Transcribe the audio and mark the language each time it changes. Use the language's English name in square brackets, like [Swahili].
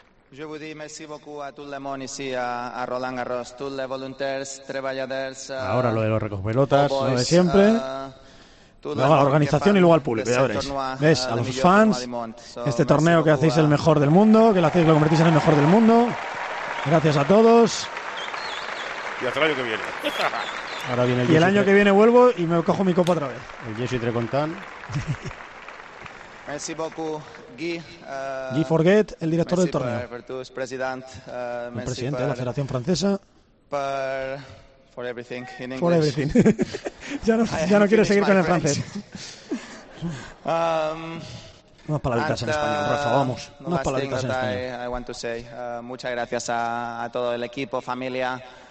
[French] Je vous dis merci beaucoup à tout le monde ici à Roland Garros, tous les volunteurs, travailleurs. [Spanish] Ahora lo de los recogepelotas, lo de siempre. Luego a la organización y luego al público, ya veréis. ¿Ves? A los fans, este torneo que hacéis el mejor del mundo, que lo hacéis, lo convertís en el mejor del mundo. Gracias a todos. Y hasta el año que viene. Ahora viene el año que viene vuelvo y me cojo mi copa otra vez. El Jesse Trecontán. [French] Merci beaucoup. Guy [Spanish] Forget, el director del torneo. [English] Virtus, president, [Spanish] el presidente de la Federación Francesa. [English] For everything in English. For everything. [Spanish] ya no quiero seguir con el francés. Unas palabritas en español, Rafa, vamos. Unas palabritas en español. [English] I want to say, [Spanish] muchas gracias a todo el equipo, familia.